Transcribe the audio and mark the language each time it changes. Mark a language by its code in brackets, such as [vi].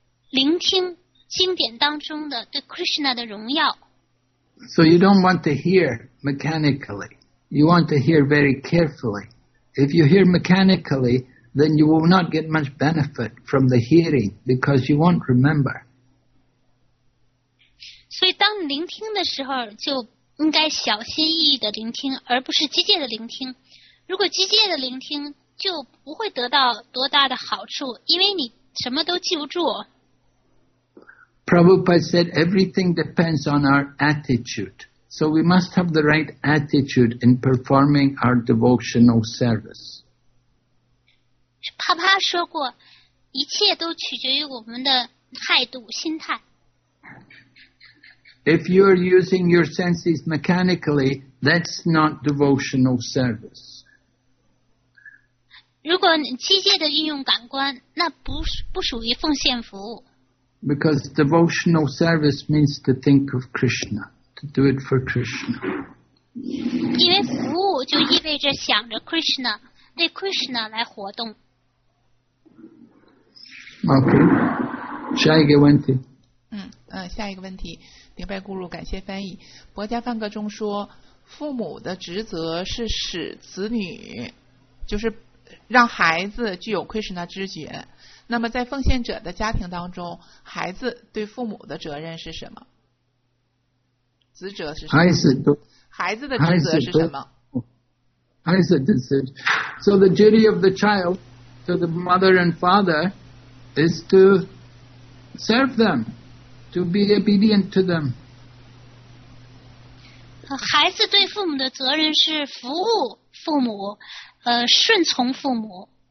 [zh] 聆听经典当中的对 Krishna 的荣耀。 [en] So you don't want to hear mechanically. You want to hear very carefully. If you hear mechanically, then you will not get much benefit from the hearing because you won't remember. [zh] 所以当你聆听的时候，就应该小心翼翼的聆听，而不是机械的聆听。如果机械的聆听，就不会得到多大的好处，因为你什么都记不住。 [en] Prabhupada said everything depends on our attitude. So we must have the right attitude in performing our devotional service. [zh] Papa 说过，一切都取决于我们的态度、心态。 [en] If you are using your senses mechanically, that's not devotional service. [zh] 如果你机械的运用感官，那不属于奉献服务。 [en] Because devotional service means to think of Krishna, to do it for Krishna. [zh] 因为服务就意味着想着 Krishna, 对 Krishna 来活动。 [en] Okay, [zh] 下一个问题。下一个问题，顶拜咕噜，感谢翻译。博迦梵歌中说，父母的职责是使子女，就是让孩子具有 Krishna 知觉。那么在奉献者的家庭当中，孩子对父母的责任是什么？职责是什么？孩子的职责是什么？孩子的职责。 [en] So the duty of the child to the mother and father is to serve them, to be obedient to them. [zh] 孩子对父母的责任是服务父母，顺从父母。